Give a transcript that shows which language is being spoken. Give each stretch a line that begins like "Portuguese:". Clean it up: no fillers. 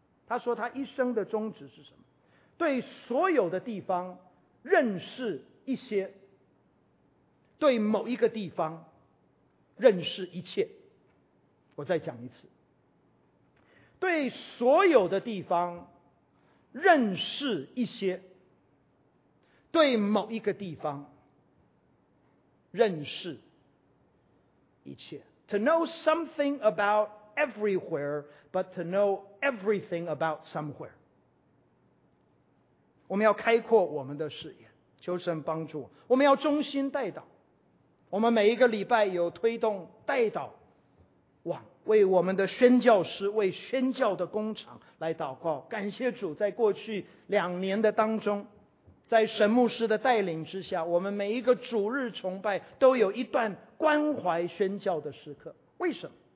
Chinese: 他说他一生的宗旨是什么？对所有的地方认识一些，对某一个地方认识一切。我再讲一次，对所有的地方认识一些，对某一个地方认识一切。
English: To know something about everywhere, but to know everything about somewhere.
Chinese: 我们要开阔我们的视野，求神帮助我们，要忠心代祷。我们每一个礼拜有推动代祷网，为我们的宣教师，为宣教的工厂来祷告。感谢主，在过去两年的当中，在神牧师的带领之下，我们每一个主日崇拜都有一段关怀宣教的时刻。为什么？